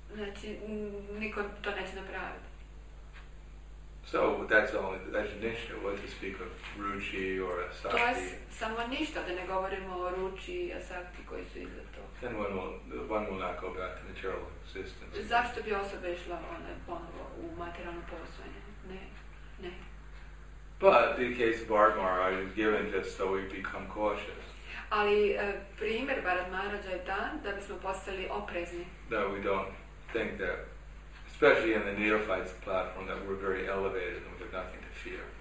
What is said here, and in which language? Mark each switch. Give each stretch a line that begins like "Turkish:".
Croatian: Znači, niko to neće napraviti.
English: So that's Nishta, what to speak of Ruchi or Asakti.
Croatian: To je samo ništa, da ne govorimo o Ruchi i Asakti koji su iza to.
English: Then one will not go back to material existence.
Croatian: Zašto bi osoba išla ona ponovo u materijalno posvojenje? Ne.
English: But the case of Bharat Maharaj is given just so we become cautious.
Croatian: Ali primjer Bharat Maharaja je dan da bismo postali oprezni.
English: No, we don't think that especially in the neophyte's platform, that we're very elevated and we have nothing to fear.